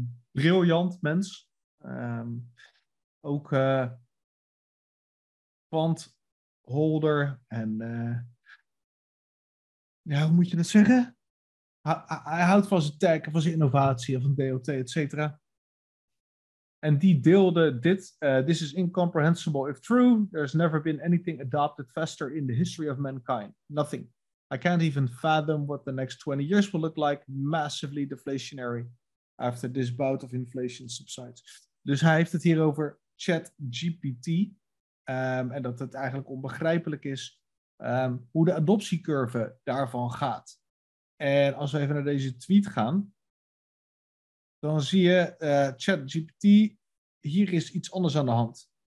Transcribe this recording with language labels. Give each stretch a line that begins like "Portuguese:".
Dutch: Briljant mens. Ook quantholder en hoe moet je dat zeggen? Hij houdt van zijn tech, van zijn innovatie, van DOT, et cetera. En die deelde dit.
English: This is incomprehensible. If true, there's never been anything adopted faster in the history of mankind. Nothing. I can't even fathom what the next 20 years will look like. Massively deflationary after this bout of inflation subsides.
Dutch: Dus hij heeft het hier over ChatGPT. En dat het eigenlijk onbegrijpelijk is hoe de adoptiecurve daarvan gaat. En als we even naar deze tweet gaan, dan zie je ChatGPT, hier is iets anders aan de hand.